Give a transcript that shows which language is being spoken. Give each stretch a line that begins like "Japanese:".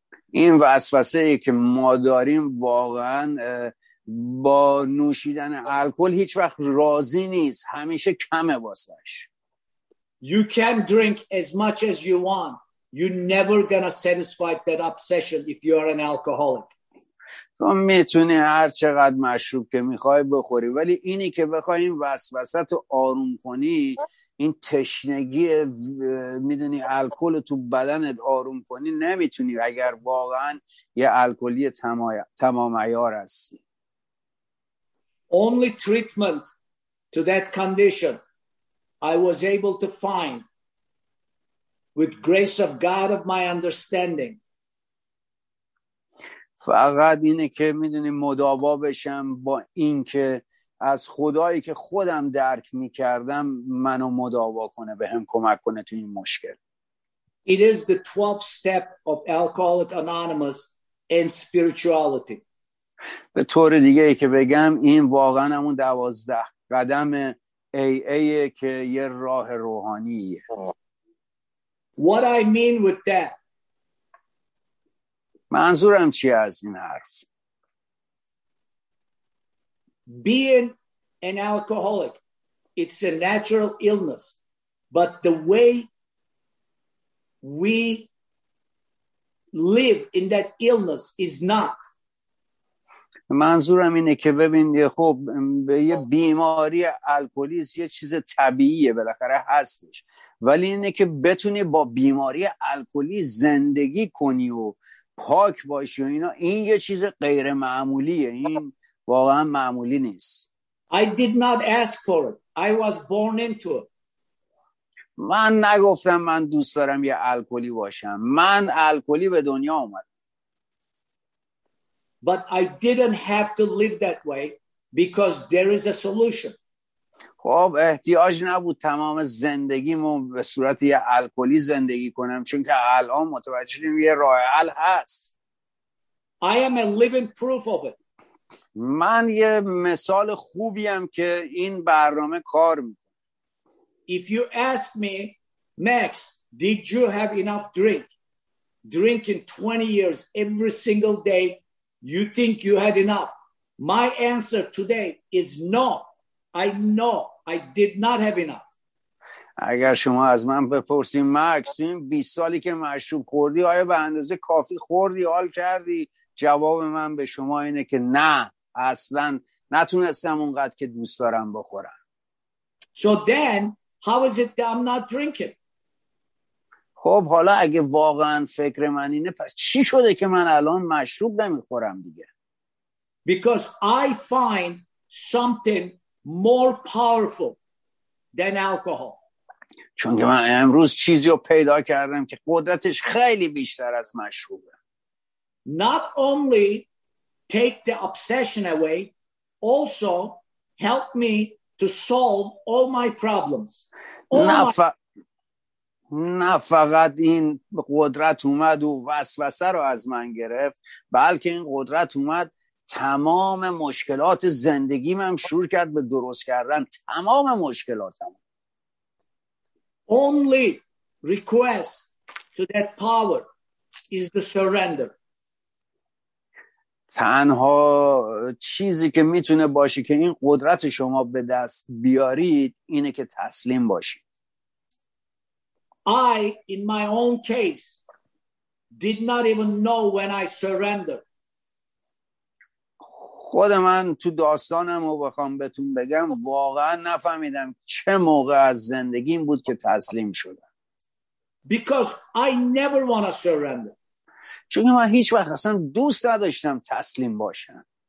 Persian: این وسوسه ای که ما داریم واقعا با نوشیدن الکل هیچ وقت راضی نیست، همیشه کمه واسش.
English: You can drink as much as you want. You're never gonna satisfy that obsession if you are an alcoholic.
Persian: تو میتونی هر چقدر مشروب که میخوای بخوری، ولی اینی که بخوای این وسوسه تو آروم کنی، این تشنگی میدونی الکل تو بدنت آروم کنی، نمیتونی اگر واقعا یه الکلی تمام عیار هستی.
English: Only treatment to that condition I was able to find with grace of God of my understanding.
Persian: فقط اینه که میدونی مداوا بشم با این که از خدایی که خودم درک می‌کردم منو مداوا کنه، به هم کمک کنه تو این مشکل.
English: It is the 12th step of Alcoholics Anonymous and spirituality.
Persian: به طور دیگه ای که بگم این واقعا همون 12 قدم AA که یه راه روحانیه.
English: What I mean with that.
Persian: منظورم چی از این حرف؟
English: Being an alcoholic, it's a natural illness, but the way we live in that illness is not.
Persian: منظورم اینه که ببین خب به یه بیماری الکلیسم یه چیز طبیعیه بالاخره هستش، ولی اینه که بتونی با بیماری الکلی زندگی کنی و پاک باشی و اینا، این یه چیز غیر معمولیه، این واقعا معمولی نیست.
English: I did not ask for it. I was born into it.
Persian: من نگفتم من دوست دارم یه الکلی باشم. من الکلی به دنیا اومدم.
English: But I didn't have to live that way because there is a solution.
Persian: خب احتیاج نبود تمام زندگیمو به صورت یه الکلی زندگی کنم، چون که الان متوجهیم یه راه حل هست.
English: I am a living proof of it.
Persian: من یه مثال خوبیم که این برنامه کار میکنه.
English: If you ask me, Max, did you have enough drink? Drinking 20 years every single day, you think you had enough? My answer today is no. I know I did not have enough.
Persian: اگر شما از من بپرسید مکس این 20 سالی که مشروب خوردی آیا به اندازه کافی خوردی حال کردی، جواب من به شما اینه که نه، اصلا نتونستم اونقدر که دوست دارم بخورم.
English: So then how is it that I'm not drinking?
Persian: خب حالا اگه واقعا فکر من اینه پس چی شده که من الان مشروب نمیخورم دیگه؟
English: Because I find something more powerful than alcohol.
Persian: چون که من امروز چیزی رو پیدا کردم که قدرتش خیلی بیشتر از مشروبه.
English: Not only take the obsession away, also help me to solve all my problems.
Persian: نه فقط این قدرت اومد و وسوسه رو از من گرفت، بلکه این قدرت اومد تمام مشکلات زندگیم هم شروع کرد به درست کردن، تمام مشکلاتم.
English: Only request to that power is the surrender.
Persian: تنها چیزی که میتونه باشه که این قدرت شما به دست بیارید اینه که تسلیم باشید.
English: I in my own case did not even know when I surrendered.
Persian: خود من تو داستانم رو بخوام بهتون بگم واقعا نفهمیدم چه موقع از زندگیم بود که تسلیم شدم.
English: Because I never want to surrender.
Persian: چون من هیچ وقت اصلا دوست نداشتم تسلیم باشم.